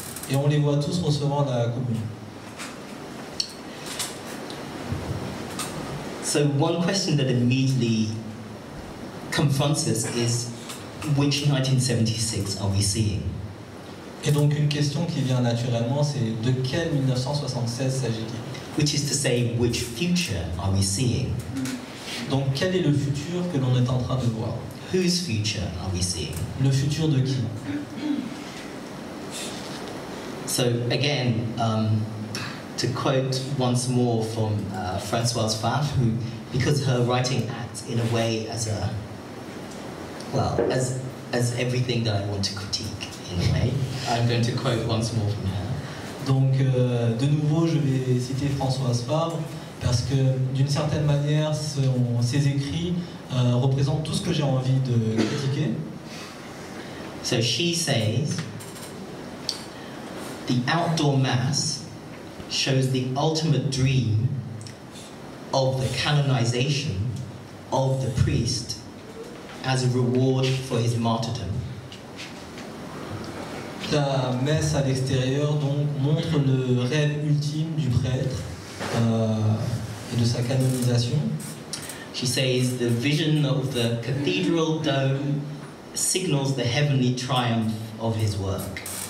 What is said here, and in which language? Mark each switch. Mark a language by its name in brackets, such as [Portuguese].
[French] Et on les voit tous recevant la communion. [English] So one question that immediately confronts us is, which 1976 are we seeing? [French] Et donc une question qui vient naturellement, c'est de quel 1976 s'agit-il? [English] Which is to say, which future are we seeing? [French] Donc quel est le futur que l'on est en train de voir? [English] Whose future are we seeing? [French] Le futur de qui? [English] So again, to quote once more from Françoise Pfaff, who, because her writing acts in a way as a, well, as everything that I want to critique, in a way. I'm going to quote once more from her. [French] Donc, de nouveau, je vais citer Françoise Fabre, parce que, d'une certaine manière, ses écrits représentent tout ce que j'ai envie de critiquer. [English] So she says, the outdoor mass shows the ultimate dream of the canonization of the priest as a reward for his martyrdom. [French] La messe à l'extérieur donc montre le rêve ultime du prêtre et de sa canonisation. [English] She says the vision of the cathedral dome signals the heavenly triumph of his work.